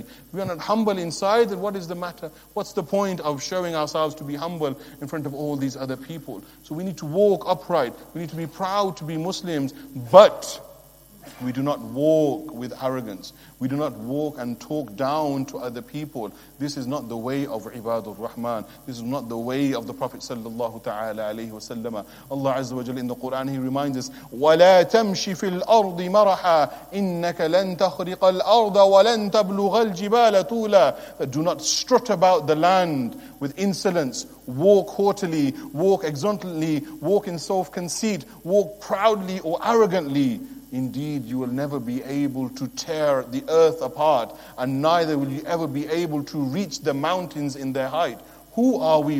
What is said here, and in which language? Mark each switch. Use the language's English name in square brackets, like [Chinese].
[English] If we are not humble inside, then what is the matter? What's the point of showing ourselves to be humble in front of all these other people? So we need to walk upright. We need to be proud to be Muslims. But we do not walk with arrogance. We do not walk and talk down to other people. This is not the way of Ibadur Rahman. This is not the way of the Prophet sallallahu ta'ala alayhi wa sallam. Allah azza wa jalla in the Quran, he reminds us, [Arabic] وَلَا تَمْشِ فِي الْأَرْضِ مَرَحًا إِنَّكَ لَن تَخْرِقَ الْأَرْضَ وَلَن تَبْلُغَ الْجِبَالَ طُولًا. [English] Do not strut about the land with insolence. Walk haughtily, walk exultantly, walk in self-conceit, walk proudly or arrogantly. Indeed, you will never be able to tear the earth apart, and neither will you ever be able to reach the mountains in their height. Who are we?